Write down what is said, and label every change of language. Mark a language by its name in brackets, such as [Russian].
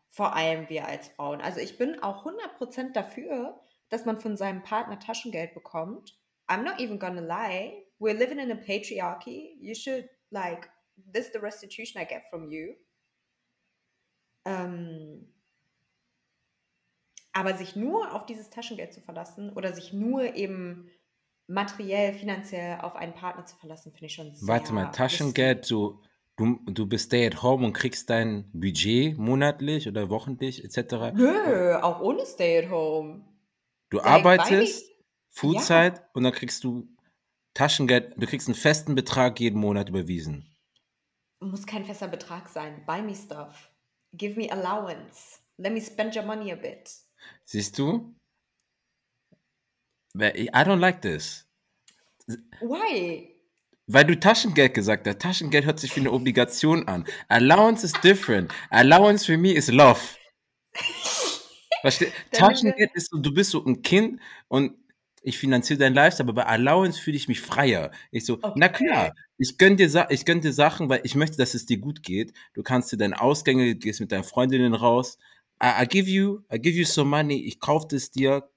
[German] Vor allem wir als Frauen. Also ich bin auch 100% dafür, dass man von seinem Partner Taschengeld bekommt. [English] I'm not even gonna lie. We're living in a patriarchy. You should, like, this is the restitution I get from you. [German] Aber sich nur auf dieses Taschengeld zu verlassen oder sich nur eben materiell, finanziell auf einen Partner zu verlassen, finde ich schon sehr... Warte mal, Taschengeld, du bist stay at home und kriegst dein Budget monatlich oder wöchentlich etc.? Nö, auch ohne stay at home. Du arbeitest Vollzeit, ja. Und dann kriegst du Taschengeld, du kriegst einen festen Betrag jeden Monat überwiesen. Muss kein fester Betrag sein. [English] Buy me stuff. Give me allowance. Let me spend your money a bit. [German] Siehst du? [English] I don't like this. Why? [German] Weil du Taschengeld gesagt hast. Taschengeld hört sich wie eine Obligation an. [English] Allowance is different. Allowance for me is love. [German] Taschengeld ist so, du bist so ein Kind und ich finanziere dein Lifestyle, aber bei Allowance fühle ich mich freier. Ich so, okay. Na klar, ich gönne dir Sachen, weil ich möchte, dass es dir gut geht. Du kannst dir deine Ausgänge, du gehst mit deinen Freundinnen raus. [English] I give you some money, [German] ich kaufe das dir.